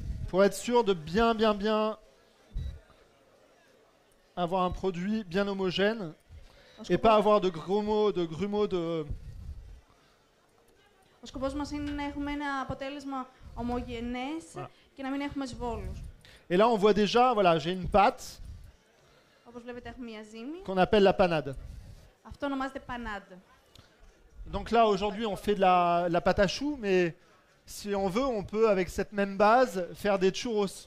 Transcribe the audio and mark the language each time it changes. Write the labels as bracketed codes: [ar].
[fr] Pour être sûr de bien, bien, bien avoir un produit bien homogène et pas avoir de grumeaux, de grumeaux de. [el] Ο σκοπός μας είναι να έχουμε ένα αποτέλεσμα ομογενές και να μην έχουμε σβόλους. [fr] Et là, on voit déjà, voilà, j'ai une pâte. [el] Όπως βλέπετε, έχουμε μια ζύμη. [fr] Qu'on appelle la panade. [el] Αυτό ονομάζεται panade. [fr] Donc là, aujourd'hui, on fait de la pâte à choux, mais si on veut, on peut, avec cette même base, faire des churros.